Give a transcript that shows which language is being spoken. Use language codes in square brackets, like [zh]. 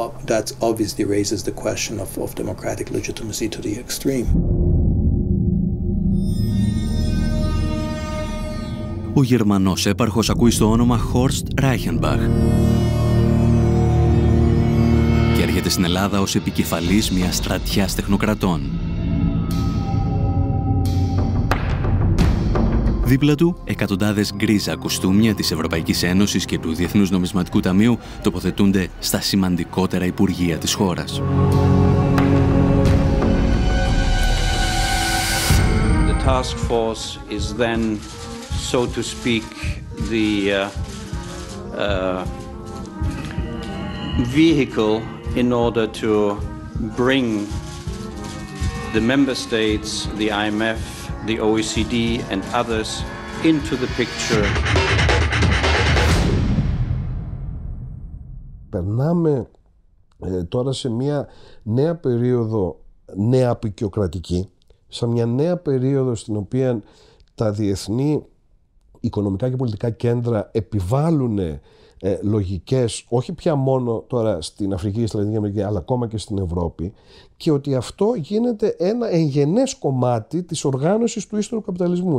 [en] That's obviously raises the question of democratic legitimacy to the extreme. [el] Ο Γερμανός έπαρχος ακούει στο όνομα Horst Reichenbach και έρχεται στην Ελλάδα ως επικεφαλής μιας στρατιάς τεχνοκρατών. Δίπλα του, εκατοντάδες γκρίζα κουστούμια της Ευρωπαϊκής Ένωσης και του Διεθνούς Νομισματικού Ταμείου τοποθετούνται στα σημαντικότερα υπουργεία της χώρας. [en] The task force is then, so to speak, the vehicle in order to bring the member states, the IMF, the OECD and others into the picture. [el] Περνάμε τώρα σε μια νέα περίοδο, νέα αποικιοκρατική, σε μια νέα περίοδο στην οποία τα διεθνή οικονομικά και πολιτικά κέντρα επιβάλλουν λογικές, όχι πια μόνο τώρα στην Αφρική και στη Λατινική Αμερική, αλλά ακόμα και στην Ευρώπη, και ότι αυτό γίνεται ένα εγγενές κομμάτι της οργάνωσης του ύστερου καπιταλισμού.